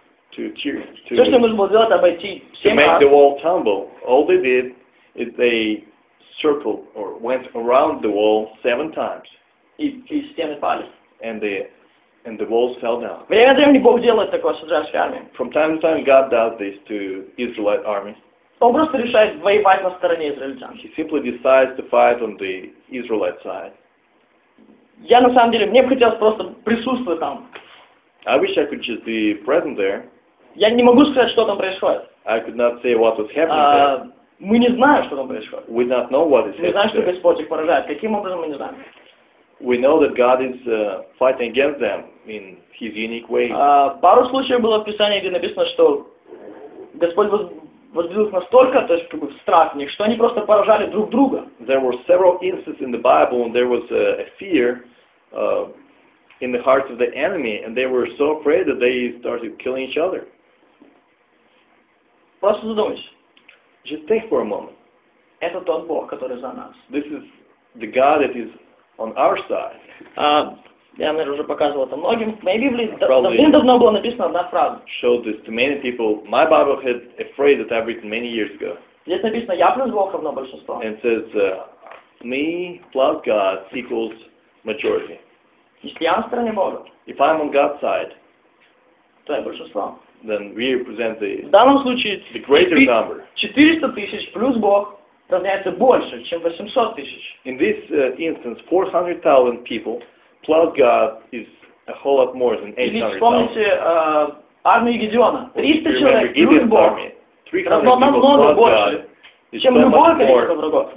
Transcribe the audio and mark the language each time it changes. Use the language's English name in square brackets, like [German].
[Russian] Все, что нужно было сделать, обойти семь раз. [English] To make the wall tumble. All they did is they circled or went around the wall seven times. [Russian] И стены пали. [English] And the walls fell down. [Russian] Время от времени Бог делает такое с израильской армией. [English] From time to time God does this to Israelite army. [Russian] Он просто решает воевать на стороне израильтян. [English] He simply decides to fight on the Israelite side. [Russian] Я на самом деле, мне бы хотелось просто присутствовать там. [English] I wish I could just be present there. [Russian] Я не могу сказать, что там происходит. [English] I could not say what was happening there. [Russian] Мы не знаем, что там происходит. [English] We not know what is happening. [Russian] Мы знаем, что Господь их поражает. Каким образом, мы не знаем. [English] We know that God is fighting against them in his unique way. [Russian] Пару случаев было в Писании, где написано, что Господь возбудил их настолько, то есть как бы в страх в них, что они просто поражали друг друга. [English] There were several instances in the Bible when there was a fear in the hearts of the enemy, and they were so afraid that they started killing each other. [Russian] Просто задумайся. [English] Just think for a moment. [Russian] Это тот Бог, который за нас. [English] This is the God that is on our side. [Russian] Я, наверное, уже показывал это многим. В моей Библии давным-давно была написана одна фраза. [English] Showed this to many people. My Bible had a phrase that I've written many years ago. [Russian] Здесь написано «Я плюс Бог равно большинство». [English] And it says «Me plus God equals majority». [Russian] Если я на стороне Бога, [English] if I'm on God's side, [Russian] то я большинство. [English] Then we represent the, [Russian] в данном случае, [English] the greater number. [Russian] 400 тысяч плюс Бог равняется больше, чем 800 тысяч. [English] In this instance, 400,000 people plus God is a whole lot more than 800,000. [Russian] Или вспомните армию Гедеона. 300 человек плюс Бог. [English] 300 [Russian] намного больше, [English] God, [Russian] чем любое количество врагов.